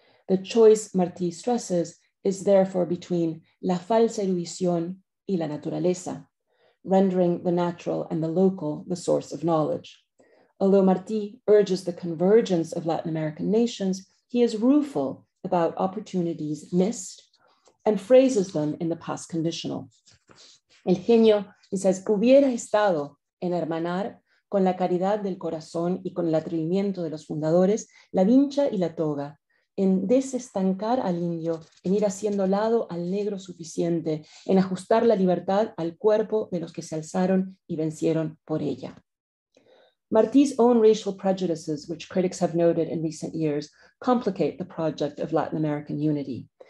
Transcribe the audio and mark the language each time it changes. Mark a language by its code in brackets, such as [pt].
[en] The choice Martí stresses is therefore between [es] la falsa erudición y la naturaleza, [en] rendering the natural and the local the source of knowledge. Although Martí urges the convergence of Latin American nations, he is rueful about opportunities missed and phrases them in the past conditional. [es] El genio, [en] he says, [es] hubiera estado en hermanar con la caridad del corazón y con el atrevimiento de los fundadores, la vincha y la toga, en desestancar al indio, en ir haciendo lado al negro suficiente, en ajustar la libertad al cuerpo de los que se alzaron y vencieron por ella. [en] Martí's own racial prejudices, which critics have noted in recent years, complicate the project of Latin American unity.